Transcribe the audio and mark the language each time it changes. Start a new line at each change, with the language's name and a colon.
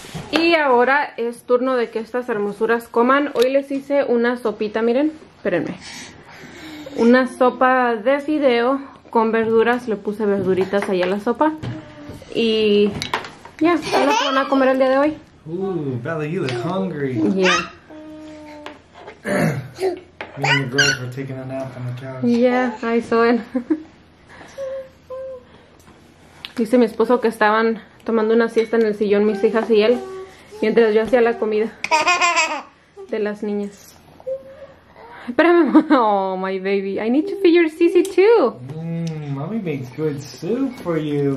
Spanish: Y ahora es turno de que estas hermosuras coman. Hoy les hice una sopita, miren. Espérenme. Una sopa de fideo con verduras. Le puse verduritas ahí a la sopa. Y ya, ¿qué nos van a comer el día de hoy?
English: Bella, you look hungry. Yeah. Me and the girls were taking a nap on the couch. Yeah, I saw it.
Spanish: Dice mi esposo que estaban tomando una siesta en el sillón mis hijas y él, mientras yo hacía la comida de las niñas. Espérame,
English: oh my baby, I need to feed your Cici too. Mommy makes good soup for you.